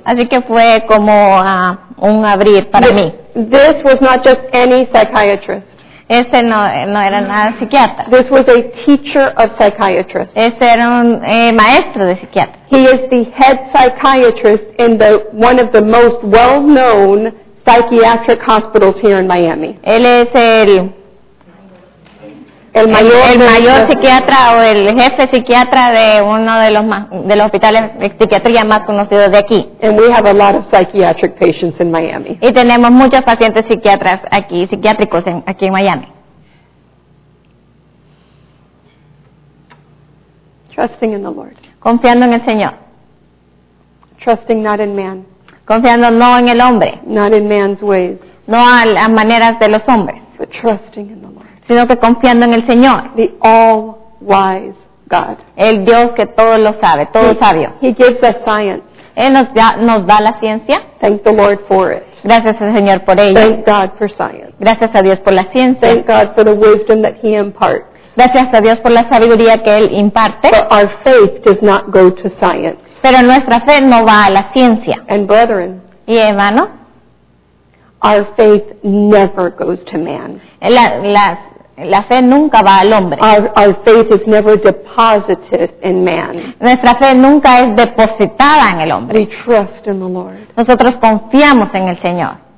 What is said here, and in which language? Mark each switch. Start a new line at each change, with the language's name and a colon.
Spanish: Así que fue como un abrir para mí.
English: This was not just any psychiatrist.
Spanish: Este no era nada psiquiatra.
English: This was a teacher of psychiatrists.
Spanish: Este era un maestro de psiquiatra.
English: He is the head psychiatrist in one of the most well-known psychiatric hospitals here in Miami.
Spanish: Él es el mayor psiquiatra o el jefe psiquiatra de uno de los hospitales de psiquiatría más conocidos de aquí.
English: And we have a lot of psychiatric patients in Miami.
Spanish: Y tenemos muchos pacientes psiquiatras aquí, psiquiátricos aquí en Miami.
English: Trusting in the Lord.
Spanish: Confiando en el Señor.
English: Trusting not in man.
Spanish: Confiando no en el hombre.
English: Not in man's ways.
Spanish: No a las maneras de los hombres.
English: But trusting in the Lord.
Spanish: Sino que confiando en el Señor.
English: The all-wise God.
Spanish: El Dios que todo lo sabe, todo sabio.
English: He gives us science.
Spanish: Él nos da la ciencia.
English: Thank the Lord for it.
Spanish: Gracias al Señor por ello.
English: Thank God for science.
Spanish: Gracias a Dios por la ciencia.
English: Thank God for the wisdom that He imparts.
Spanish: Gracias a Dios por la sabiduría que Él imparte.
English: But our faith does not go to science.
Spanish: Pero nuestra fe no va a la ciencia.
English: And brethren.
Spanish: Y hermano.
English: Our faith never goes to man.
Spanish: La fe nunca va al hombre.
English: Our faith is never deposited in man.
Spanish: Nuestra fe nunca es depositada en el hombre.
English: We trust in the Lord.
Spanish: Nosotros confiamos en el Señor.